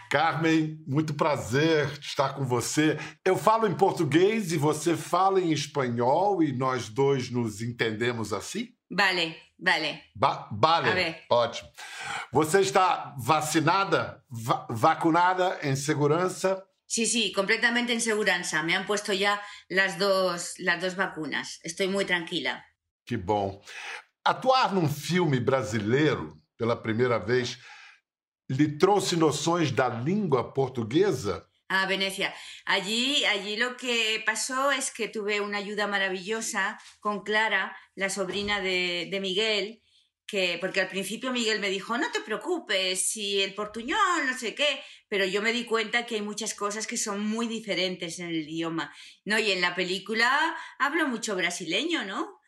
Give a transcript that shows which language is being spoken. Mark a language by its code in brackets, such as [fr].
[pt] Carmen, muito prazer estar com você. Eu falo em português e você fala em espanhol e nós dois nos entendemos assim? [es] Vale. [pt] Ótimo. Você está vacinada? Vacunada em segurança? Sim, sí, sim, sí, completamente em segurança. [es] Me han puesto já las dos vacunas. [pt] Estou muito tranquila. Que bom. Atuar num filme brasileiro pela primeira vez lhe trouxe noções da língua portuguesa? [es] A Venecia. Allí lo que pasó es que tuve una ayuda maravillosa con Clara, la sobrina de Miguel, que porque al principio Miguel me dijo, no te preocupes, si el portuñol, no sé qué, pero yo me di cuenta que hay muchas cosas que son muy diferentes en el idioma, ¿no? Y en la película hablo mucho brasileño, ¿no?